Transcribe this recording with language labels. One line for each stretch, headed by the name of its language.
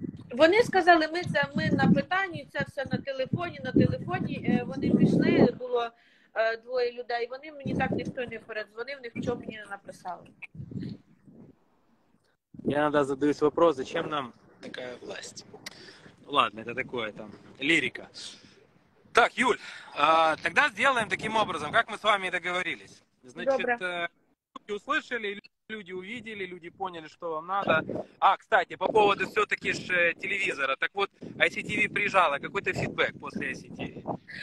Ukrainian: Вони сказали, ми на питанні, це все на телефоні, вони пішли, було двоє людей, вони мені так ніхто не передзвонив, нічого мені не написали. Я іноді задаюсь
Russian: вопрос, зачем нам такая власть. Ладно, это такое там, лирика. Так, Юль, тогда сделаем таким образом, как мы с вами договорились. Значит, люди услышали, люди увидели, люди поняли, что вам надо. А, кстати, по поводу все-таки же телевизора. Так вот, ICTV приезжала, какой-то фидбэк после ICTV?